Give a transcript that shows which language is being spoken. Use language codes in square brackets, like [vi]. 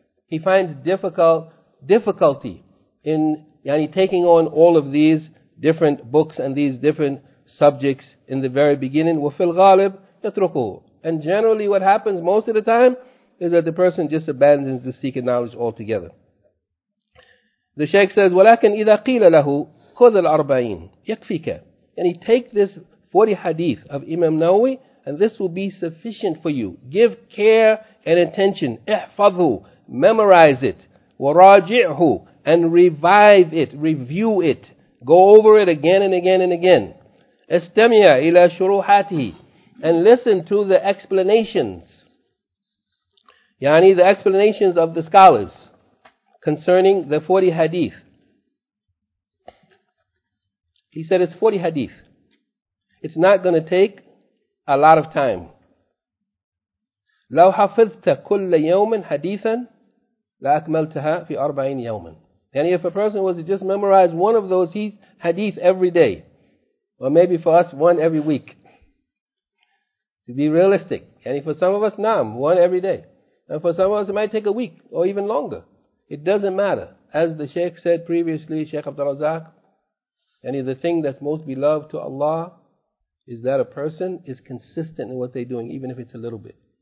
[en] He finds difficulty in, yani, taking on all of these different books and these different subjects in the very beginning. [ar] وَفِي الْغَالِبِ يَتْرُكُهُ. [en] And generally what happens most of the time is that the person just abandons the seeking knowledge altogether. The Shaykh says, [ar] وَلَكِنْ إِذَا قِيلَ لَهُ خُذَ الْأَرْبَعِينَ يَكْفِيكَ. [en] And he take this 40 hadith of Imam Nawawi, and this will be sufficient for you. Give care and attention. [ar] احفظه. [en] Memorize it. [ar] وراجعه. [en] And revive it. Review it. Go over it again and again and again. [ar] استمع إلى شروحاته. [en] And listen to the explanations. يعني the explanations of the scholars concerning the 40 hadith. He said it's 40 hadith. It's not going to take a lot of time. [ar] لو حفظت كل يوم حديثا لأكملتها في 40 يوما. [en] And if a person was to just memorize one of those hadith every day, or maybe for us one every week, to be realistic. And for some of us, nam, one every day. And for some of us, it might take a week or even longer. It doesn't matter. As the Shaykh said previously, Shaykh Abdul Razak, and the thing that's most beloved to Allah is that a person is consistent in what they're doing, even if it's a little bit.